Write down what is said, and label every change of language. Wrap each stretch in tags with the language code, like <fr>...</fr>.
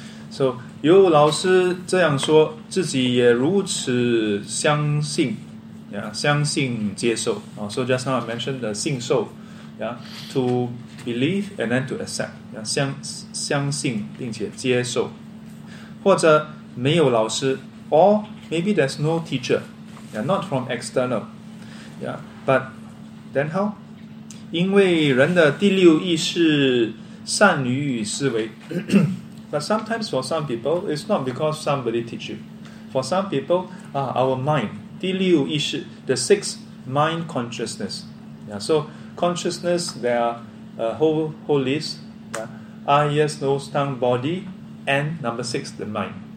<zh>So, 有老师这样说，自己也如此相信。 Yeah, 相信接受.</zh> <en>So just now I mentioned the 信受, yeah, to believe and then to accept.</en> <zh>Yeah, 相信并且接受.或者没有老师,</zh> <en>or maybe there's no teacher. Yeah, not from external. Yeah, but then how?</en> <zh>因为人的第六意识善于思维.</zh> <en>But sometimes for some people, it's not because somebody teach you. For some people, our mind, 第六意识, the sixth mind consciousness. Yeah, so consciousness, there are a whole list. Yeah, eyes, nose, tongue, body, and number six, the mind.</en>